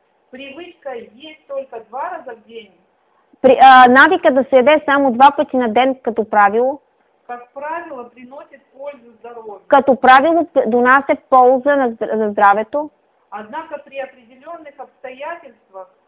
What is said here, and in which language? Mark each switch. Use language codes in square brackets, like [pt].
[ru] Привычка есть только два раза в день. [bg] Навика да се яде само два пъти на ден като правило. [ru] Как правило, приносит пользу здоровью. [bg] Като правило, донася полза на здравето. [ru] Однако при определенных обстоятельствах.